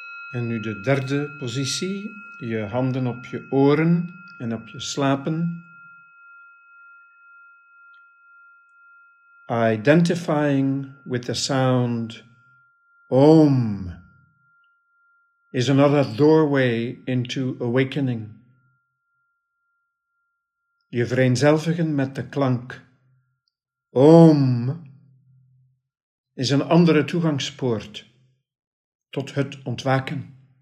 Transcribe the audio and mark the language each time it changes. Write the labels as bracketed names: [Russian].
[Dutch] En nu de derde positie, je handen op je oren en op je slapen. [English] Identifying with the sound Om is another doorway into awakening. [Dutch] Je vereenzelvigen met de klank Om is een andere toegangspoort tot het ontwaken.